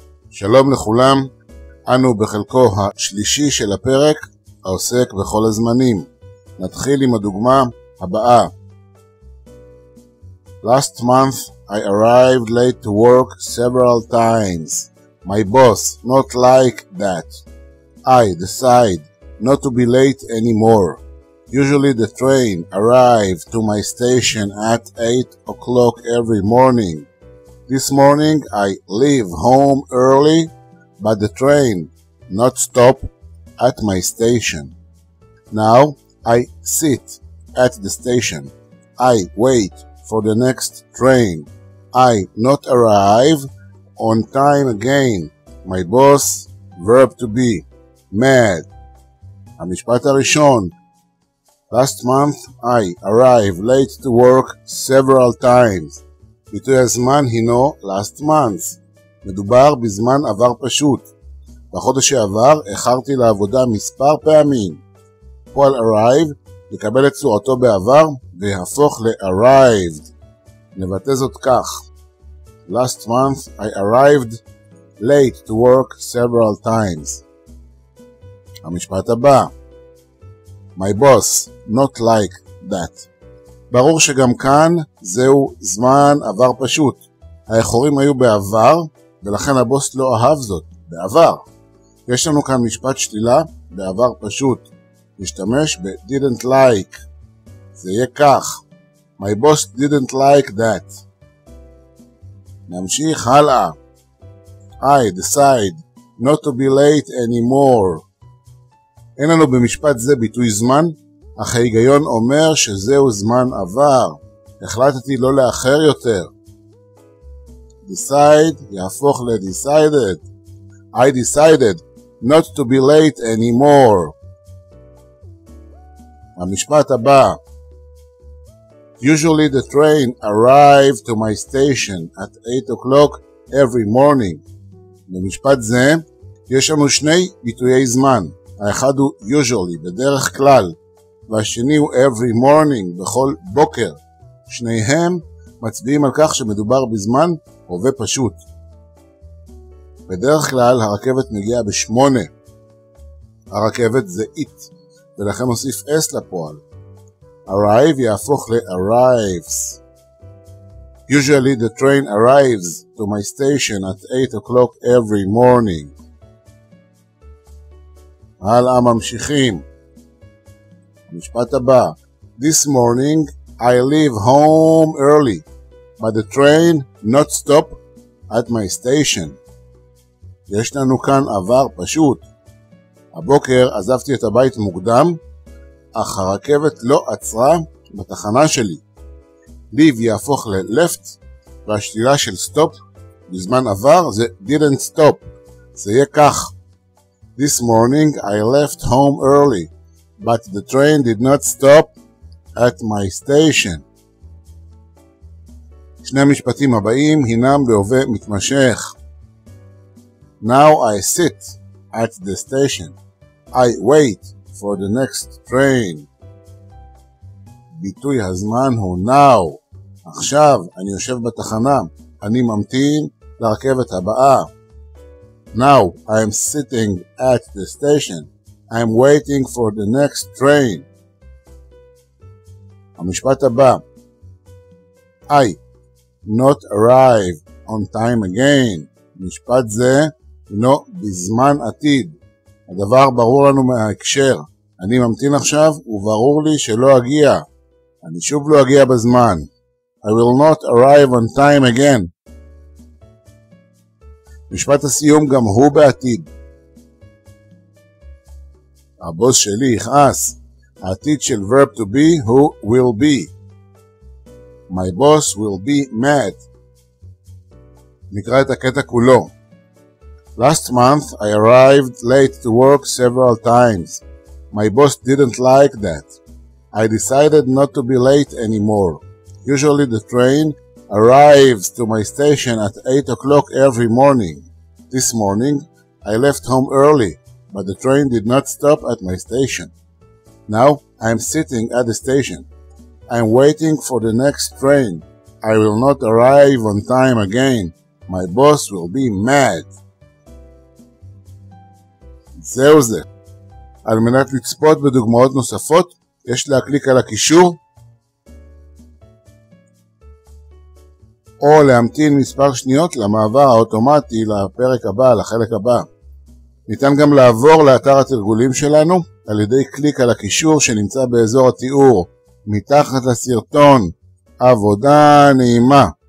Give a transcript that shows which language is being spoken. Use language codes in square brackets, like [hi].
[he] שלום לכולם, אנו בחלקו השלישי של הפרק העוסק בכל הזמנים. נתחיל עם הדוגמה הבאה. [en] Last month I arrived late to work several times. My boss not like that. I decide not to be late anymore. Usually the train arrive to my station at 8 o'clock every morning. This morning I leave home early, but the train not stop at my station. Now I sit at the station. I wait for the next train. I not arrive on time again. My boss verb to be mad. [he] המשפט הראשון. [en] Last month I arrived late to work several times. [he] ביטוי הזמן הינו [en] last month. [he] מדובר בזמן עבר פשוט. בחודש שעבר איחרתי לעבודה מספר פעמים. פועל arrive לקבל את צורתו בעבר והפוך ל-arrived. נבטא זאת כך. [en] Last month I arrived late to work several times. [he] המשפט הבא. [en] My boss not like that. [he] ברור שגם כאן זהו זמן עבר פשוט. האחורים היו בעבר ולכן הבוס לא אהב זאת. בעבר. יש לנו כאן משפט שלילה בעבר פשוט. משתמש ב- [en] didn't like. [he] זה יהיה כך. [en] My boss didn't like that. [he] נמשיך הלאה. [en] I decide not to be late anymore. [he] אין לנו במשפט זה ביטוי זמן, אך ההיגיון אומר שזהו זמן עבר. החלטתי לא לאחר יותר. [en] Decide [he] יהפוך [en] ל-decided. I decided not to be late anymore. [he] המשפט הבא. [en] Usually the train arrives to my station at 8 o'clock every morning. [he] במשפט זה יש לנו שני ביטויי זמן. האחד הוא usually, בדרך כלל, והשני הוא every morning, בכל בוקר. שניהם מצביעים על כך שמדובר בזמן הווה פשוט. בדרך כלל הרכבת מגיעה ב-8. הרכבת זה it, ולכן נוסיף s לפועל. [en] arrive [he] יהפוך [en] ל-arrives. Usually the train arrives to my station at 8 o'clock every morning. [he] הלאה ממשיכים. המשפט הבא. [en] This morning I leave home early, but the train not stop at my station. [he] יש לנו כאן עבר פשוט. הבוקר עזבתי את הבית מוקדם, אך הרכבת לא עצרה בתחנה שלי. Leave יהפוך ל-left, והשלילה של stop בזמן עבר זה [en] didn't stop. [he] זה יהיה כך. [en] This morning I left home early, but the train did not stop at my station. [he] שני המשפטים הבאים הינם בהווה מתמשך. [en] Now I sit at the station. I wait for the next train. [he] ביטוי הזמן הוא now. עכשיו אני יושב בתחנה. אני ממתין לרכבת הבאה. [en] Now I am sitting at the station. I am waiting for the next train. [he] המשפט הבא. [en] I not arrive on time again. [he] משפט זה הינו בזמן עתיד. הדבר ברור לנו מההקשר. אני ממתין עכשיו וברור לי שלא אגיע. אני שוב לא אגיע בזמן. [en] I will not arrive on time again. [he] משפט הסיום גם הוא בעתיד. הבוס שלי יכעס. העתיד של verb to be הוא will be. [en] My boss will be mad. [he] נקרא את הקטע כולו. [en] Last month I arrived late to work several times. My boss didn't like that. I decided not to be late anymore. Usually the train arrives to my station at 8 o'clock every morning. This morning, I left home early, but the train did not stop at my station. Now, I am sitting at the station. I am waiting for the next train. I will not arrive on time again. My boss will be mad. [he] זהו זה. על מנת לצפות בדוגמאות נוספות, יש להקליק על הקישור או להמתין מספר שניות למעבר האוטומטי לפרק הבא, לחלק הבא. ניתן גם לעבור לאתר התרגולים שלנו על ידי קליק על הקישור שנמצא באזור התיאור מתחת לסרטון. עבודה נעימה.